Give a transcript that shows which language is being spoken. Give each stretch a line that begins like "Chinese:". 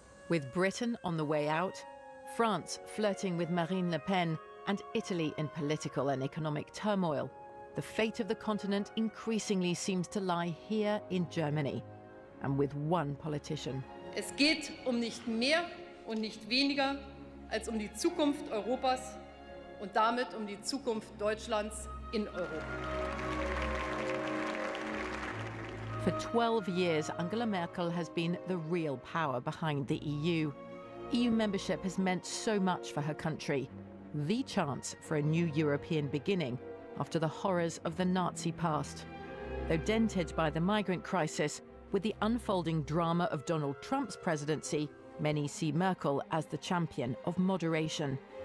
English: With Britain on the way out, France flirting with Marine Le Pen and Italy in political and economic turmoil. The fate of the continent increasingly seems to lie here in Germany, and with one politician.
German: Es geht nicht mehr und nicht weniger als die Zukunft Europas und damit die Zukunft Deutschlands in Europa.
English: For 12 years, Angela Merkel has been the real power behind the EU. EU membership has meant so much for her country. The chance for a new European beginning after the horrors of the Nazi past. Though dented by the migrant crisis, with the unfolding drama of Donald Trump's presidency, many see Merkel as the champion of moderation.